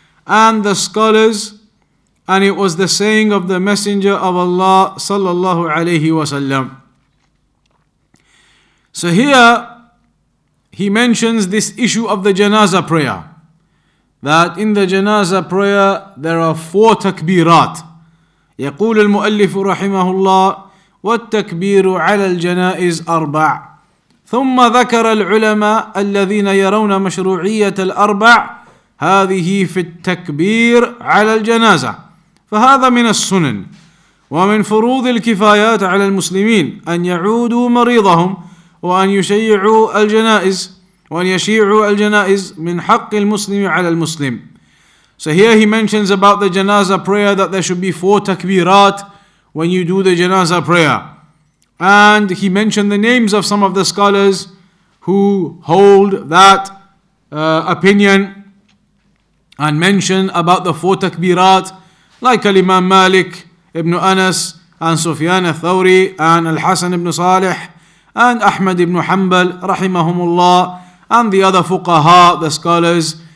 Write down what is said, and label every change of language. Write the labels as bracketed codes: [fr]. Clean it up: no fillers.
[en] And the scholars, and it was the saying of the Messenger of Allah, sallallahu alayhi wa sallam. So here, he mentions this issue of the janazah prayer, that in the janazah prayer, there are four takbirat. [ar] يقول المؤلف رحمه الله, والتكبير على الجنائز أربع. ثم ذكر العلماء الذين يرون مشروعية الأربع هذه في التكبير على الجنازة فهذا من السنن ومن فروض الكفايات على المسلمين أن يعودوا مريضهم وأن يشيعوا الجنائز وأن يشيعوا الجنائز من حق المسلم على المسلم [en] So here he mentions about the janazah prayer that there should be four takbirat when you do the janazah prayer. And he mentioned the names of some of the scholars who hold that opinion and mention about the four takbirat, like Al-Imam Malik ibn Anas and Sufyan al-Thawri and Al-Hasan ibn Salih and Ahmed ibn Hanbal, rahimahumullah, and the other fuqaha, the scholars.